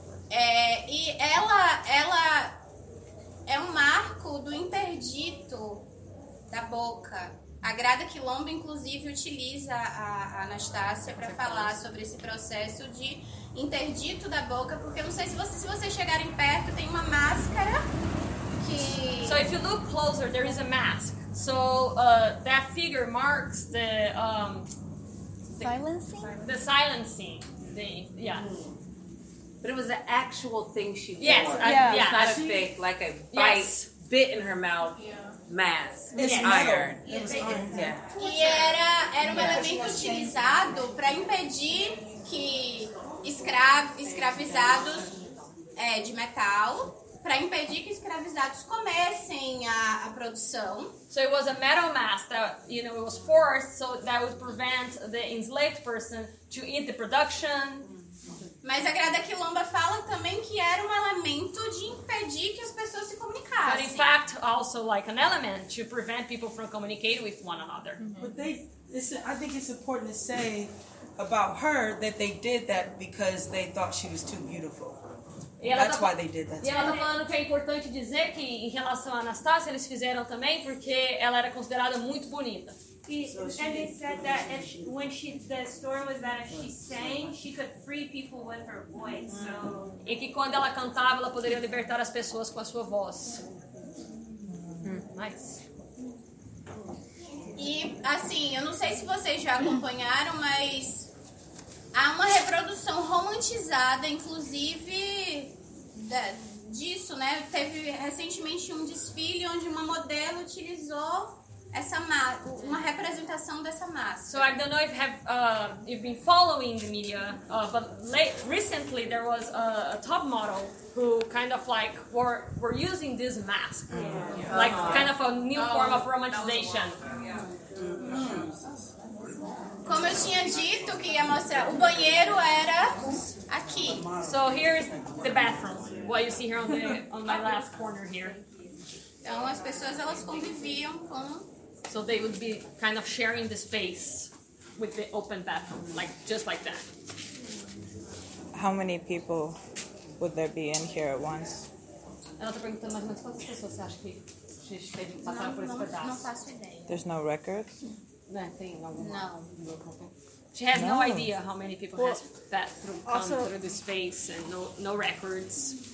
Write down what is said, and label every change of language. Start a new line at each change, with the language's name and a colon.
Portuguese: E ela é um marco do interdito da boca. A Grada Quilombo, inclusive, utiliza a Anastácia para falar sobre esse processo de interdito da boca, porque não sei se vocês chegarem perto, tem uma máscara que...
English: So if you look closer, there is a mask. So that figure marks the... silencing? The silencing thing, yeah. Mm. But it was an actual thing she wore. Yes, it's not a fake, like a bite bit in her mouth. Yeah. Mask. Iron.
Portuguese: E era um elemento utilizado para impedir que escravizados de metal, para impedir que escravizados comessem a produção.
English: So it was a metal mask that, you know, it was forced so that would prevent the enslaved person to eat the production.
Portuguese: Mas a Grada Quilomba fala também que era um elemento de impedir que as pessoas se comunicassem.
English: But in fact, also like an element to prevent people from communicating with one another. Mm-hmm. But I think it's important to say about her that they did that because they thought she was too beautiful. That's why they did that.
Portuguese: E ela tá falando que é importante dizer que em relação à Anastácia eles fizeram também porque ela era considerada muito bonita.
English: And they said that the story was that if she sang, she could free people with her voice.
Portuguese: E que quando ela cantava, ela poderia libertar as pessoas com a sua voz.
English: Nice.
Portuguese: E assim, eu não sei se vocês já acompanharam, mas há uma reprodução romantizada, inclusive disso, né? Teve recentemente um desfile onde uma modelo utilizou uma representação dessa máscara.
English: So I don't know if you've been following the media, but recently there was a top model who kind of like were using this mask, yeah. Like kind of a new form of romanticization.
Portuguese: Como eu tinha dito que ia mostrar, o banheiro era aqui.
English: So here is the bathroom, what you see here on my left corner here.
Portuguese: Então as pessoas elas conviviam com.
English: So they would be kind of sharing the space with the open bathroom, like just like that. How many people would there be in here at once?
Portuguese: Ela está perguntando mais ou menos quantas pessoas você acha que passaram por esse pedaço? Não faço ideia.
English: There's no record?
Portuguese: Não, tem alguma.
English: She has no idea how many people have that come through the space and no records.